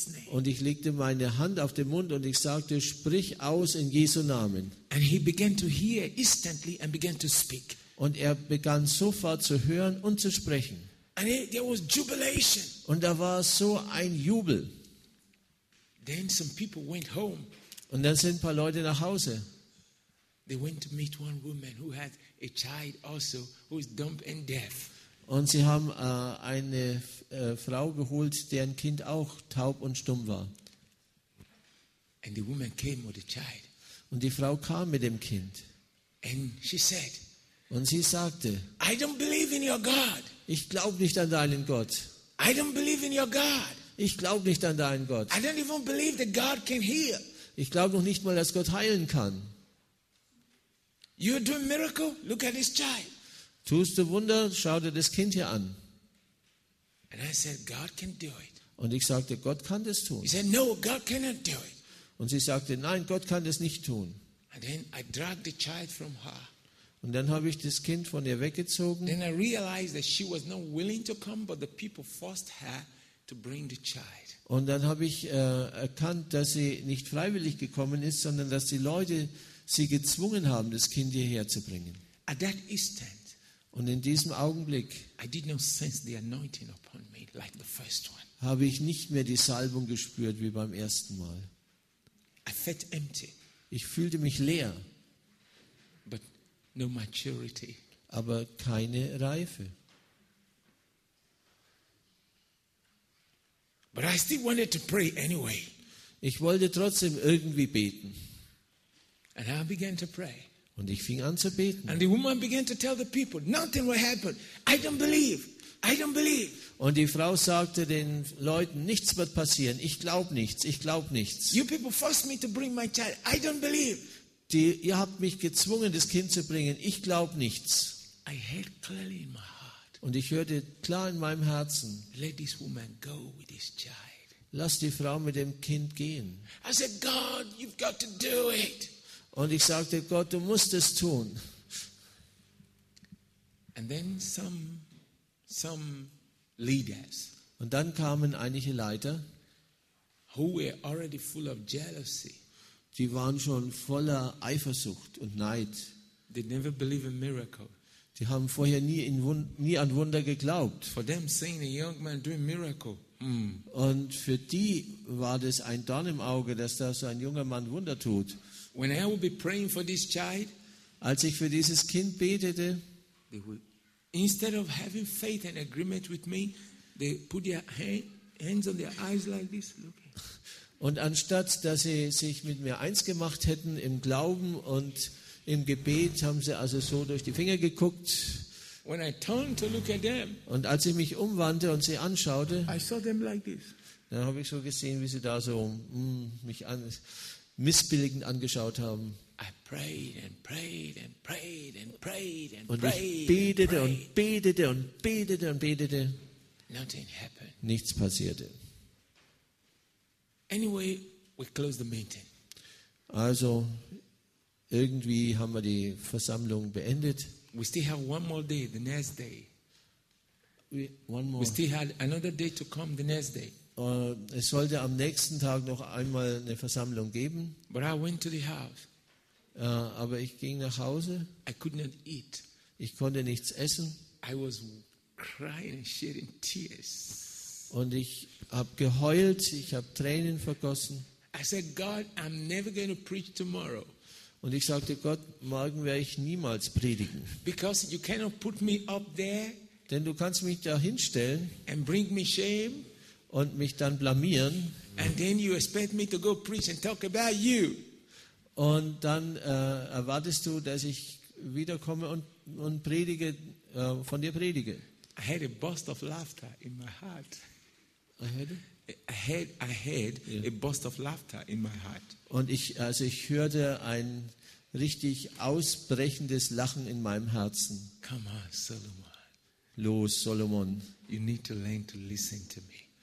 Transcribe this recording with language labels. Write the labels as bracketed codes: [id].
[de] Und ich legte meine Hand auf den Mund und ich sagte, sprich aus in Jesu Namen. [en] And he began to hear instantly and began to speak. [de] Und er begann sofort zu hören und zu sprechen. [en] And there was jubilation. [de] Und da war so ein Jubel. [en] Then some people went home. [de] Und dann sind ein paar Leute nach Hause. [en] They went to meet one woman who had a child also who is dumb and deaf. [de] Und sie haben eine Frau geholt, deren Kind auch taub und stumm war. [en] And the woman came with the child. [de] Und die Frau kam mit dem Kind. [en] And she said. [de] Und sie sagte. [en] I don't believe in your God. [de] Ich glaube nicht an deinen Gott. [en] I don't believe in your God. [de] Ich glaube nicht an deinen Gott. [en] I don't even believe that God can heal. [de] Ich glaube noch nicht mal, dass Gott heilen kann. [en] You are doing miracle? Look at this child. [de] Tust du Wunder? Schau dir das Kind hier an. [en] And I said, God can do it. [de] Und ich sagte, Gott kann das tun. [en] He said, no, God cannot do it. [de] Und sie sagte, nein, Gott kann das nicht tun. [en] And then I dragged the child from her. [de] Und dann habe ich das Kind von ihr weggezogen. [en] Then I realized that she was not willing to come, but the people forced her to bring the child. [de] Und dann habe ich erkannt, dass sie nicht freiwillig gekommen ist, sondern dass die Leute sie gezwungen haben, das Kind hierher zu bringen. [en] At that instant, [de] und in diesem Augenblick [en] like [de] habe ich nicht mehr die Salbung gespürt wie beim ersten Mal. [en] I felt empty. [de] Ich fühlte mich leer, [en] but no maturity. [de] Aber keine Reife. [en] But I still wanted to pray anyway. [de] Ich wollte trotzdem irgendwie beten. [en] And I began to pray. [de] Und ich fing an zu beten. [en] And the woman began to tell the people, nothing will happen. I don't believe. I don't believe. [de] Und die Frau sagte den Leuten, nichts wird passieren. Ich glaube nichts. Ich glaube nichts. [en] You people forced me to bring my child. I don't believe. [de] Ihr habt mich gezwungen, das Kind zu bringen. Ich glaube nichts. [en] I heard clearly in my heart. [de] Und ich hörte klar in meinem Herzen, [en] let this woman go with this child. [de] Lass die Frau mit dem Kind gehen. [en] I said, God, you've got to do it. [de] Und ich sagte, Gott, du musst es tun. [en] And then some leaders, [de] und dann kamen einige Leiter, [en] who were already full of jealousy. [de] Die waren schon voller Eifersucht und Neid. [en] They never believe in miracles. [de] Die haben vorher nie an Wunder geglaubt. [en] For them seeing a young man doing miracle. [de] Und für die war das ein Dorn im Auge, dass da so ein junger Mann Wunder tut. [en] When I would be praying for this child, [de] als ich für dieses Kind betete, [en] they would, instead of having faith and agreement with me, they put their hands on their eyes like this. Look. [de] Und anstatt dass sie sich mit mir eins gemacht hätten im Glauben und im Gebet, haben sie also so durch die Finger geguckt. [en] When I turned to look at them, [de] und als ich mich umwandte und sie anschaute, [en] I saw them like this. [de] Dann habe ich so gesehen, wie sie da so mich missbilligend angeschaut haben. [en] I prayed and prayed and prayed and prayed and [de] und ich betete und betete und betete und betete. [en] Nothing happened. [de] Nichts passierte. [en] Anyway, we closed the meeting. [de] Also, irgendwie haben wir die Versammlung beendet. [en] We still have one more day, the next day. We still had another day to come, the next day. [de] Es sollte am nächsten Tag noch einmal eine Versammlung geben. [en] But I went to the house. [de] Aber ich ging nach Hause. [en] I could not eat. [de] Ich konnte nichts essen. [en] I was crying and shedding tears. [de] Und ich habe geheult. Ich habe Tränen vergossen. [en] I said, God, I'm never going to preach tomorrow. [de] Und ich sagte: Gott, morgen werde ich niemals predigen. [en] Because you cannot put me up there. [de] Denn du kannst mich da hinstellen. [en] And bring me shame. [de] Und mich dann blamieren. [en] And then you expect me to go preach and talk about you. [de] Und dann erwartest du, dass ich wiederkomme und predige, von dir predige. [en] I had a burst of laughter in my heart. I had a burst of laughter in my heart. [de] Und ich hörte ein richtig ausbrechendes Lachen in meinem Herzen. [en] Come on, Solomon. [de] Los, Solomon. [en] You need to learn to listen to me.